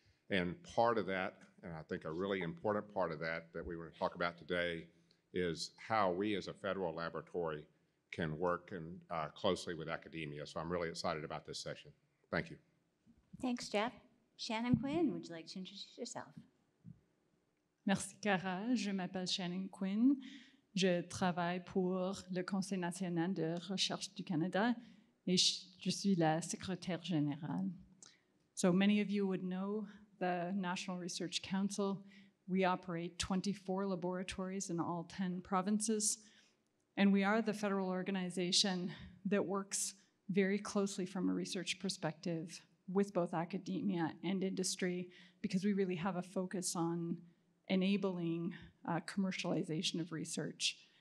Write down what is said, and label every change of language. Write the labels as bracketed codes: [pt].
[en] And part of that, and I think a really important part of that that we want to talk about today, is how we as a federal laboratory can work and closely with academia. So I'm really excited about this session. Thank you. Thanks, Jeff. Shannon Quinn, would you like to introduce yourself? [fr] Merci, Cara. Je m'appelle Shannon Quinn. Je travaille pour le Conseil national de recherche du Canada et je suis la secrétaire générale. [en] So many of you would know the National Research Council. We operate 24 laboratories in all 10 provinces, and we are the federal organization that works very closely from a research perspective with both academia and industry, because we really have a focus on enabling commercialization of research.